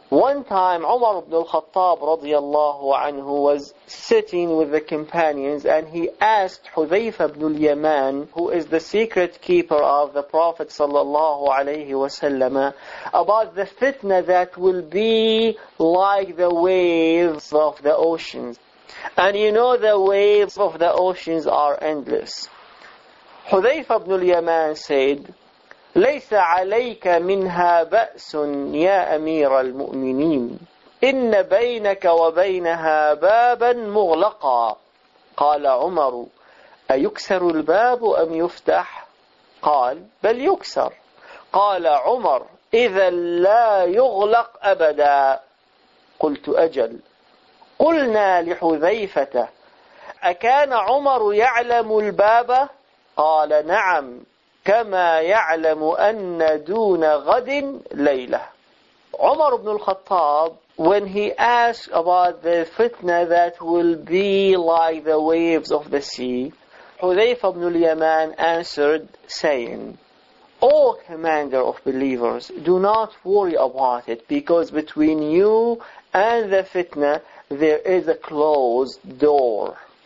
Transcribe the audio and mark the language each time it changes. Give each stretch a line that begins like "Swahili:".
English: One time, Umar ibn al-Khattab radiallahu anhu was sitting with the companions and he asked Hudhayfa ibn al-Yaman, who is the secret keeper of the Prophet sallallahu alayhi wasallam, about the fitna that will be like the waves of the oceans. And you know the waves of the oceans are endless.
Arabic: Hudhayfa ibn al-Yaman said, ليس عليك منها بأس يا أمير المؤمنين إن بينك وبينها بابا مغلقا قال عمر أيكسر الباب أم يفتح قال بل يكسر قال عمر إذا لا يغلق أبدا قلت أجل قلنا لحذيفة أكان عمر يعلم الباب قال نعم كما يعلم أن دون غد ليلة.
English: Umar ibn al-Khattab, when he asked about the fitna that will be like the waves of the sea, Hudhayfa ibn al-Yaman answered saying, O commander of believers, do not worry about it, because between you and the fitna there is a closed door.